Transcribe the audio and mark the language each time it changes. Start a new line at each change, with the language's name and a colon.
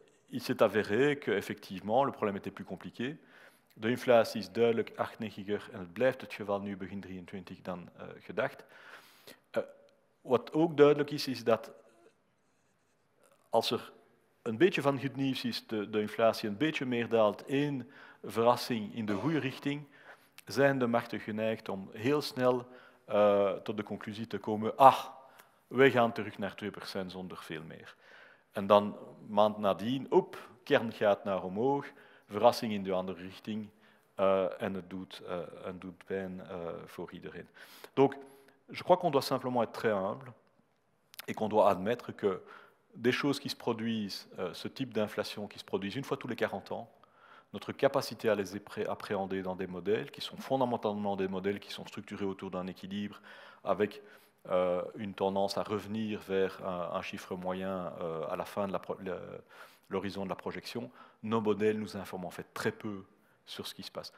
French: Il s'est avéré qu'effectivement, le problème était plus compliqué.
Dutch: De inflatie is duidelijk hardnekkiger en het blijft het geval nu begin 2023 dan gedacht. Wat ook duidelijk is, is dat als er een beetje van goed nieuws is, de inflatie een beetje meer daalt, één verrassing in de goede richting, zijn de markten geneigd om heel snel tot de conclusie te komen, ah, wij gaan terug naar 2% zonder veel meer. En dan maand nadien, op, kern gaat naar omhoog, verrassing in de andere richting, En het doet pijn voor iedereen.
French: Donc, je crois qu'on doit simplement être très humble et qu'on doit admettre que des choses qui se produisent, ce type d'inflation qui se produisent une fois tous les 40 ans, notre capacité à les appréhender dans des modèles qui sont fondamentalement des modèles qui sont structurés autour d'un équilibre avec une tendance à revenir vers un chiffre moyen à la fin de l'horizon de la projection, nos modèles nous informent en fait très peu sur ce qui se passe.